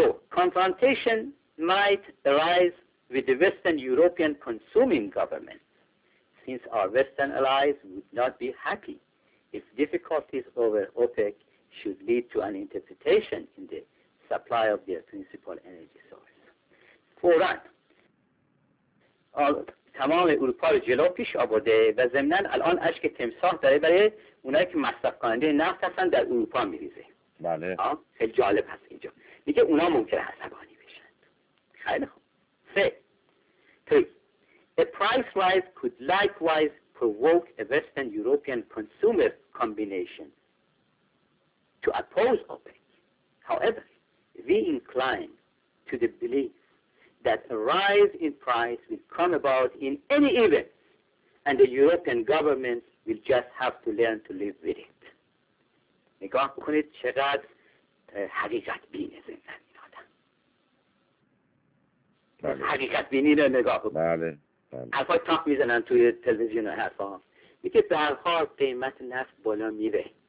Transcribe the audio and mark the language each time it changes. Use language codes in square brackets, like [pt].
[en] Confrontation might arise with the Western European consuming government, since our Western allies would not be happy if difficulties over OPEC should lead to an interpretation in the supply of their principal energy source. [fa] فوراً تمام اروپا رو جلو پیش آورده و ضمناً الان اشک تمساح داره برای اونایی که مصرف کننده نفت هستن در اروپا میریزه. بله. خیلی جالب هست اینجا. میگه اونا ممکنه عصبانی بشن. خیلی خوب. سه. تری. [en] A price rise could likewise provoke a Western European consumer combination to oppose OPEC. ها؟ However, we incline to the belief that a rise in price will come about in any event, and the European governments will just have to learn to live with it. [fa] نگاه کنید چقدر حقیقت بینه زندن این آدم. حقیقت بینی رو نگاه کنید. بله. حرفای تاک میزنن توی تلویزیون و حرفا. میگه به هر حال قیمت نفت بالا میره.